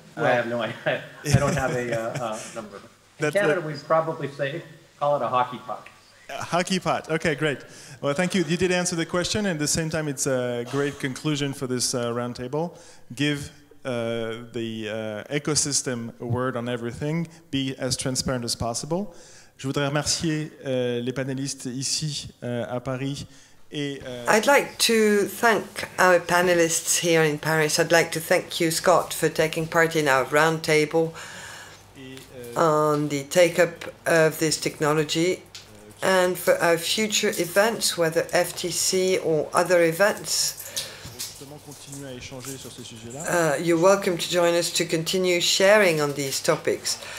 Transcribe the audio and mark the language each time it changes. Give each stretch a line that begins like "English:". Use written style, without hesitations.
English: Well, I have no idea. I don't have a number. In Canada, we'd probably say, call it a hockey puck. Hockey pot. Okay, great. Well, thank you. You did answer the question, and at the same time, it's a great conclusion for this roundtable. Give the ecosystem a word on everything. Be as transparent as possible.
French: Je voudrais remercier les panélistes ici à Paris.
English: I'd like to thank our panelists here in Paris. I'd like to thank you, Scott, for taking part in our roundtable on the take-up of this technology. And for our future events, whether FTC or other events, you're welcome to join us to continue sharing on these topics.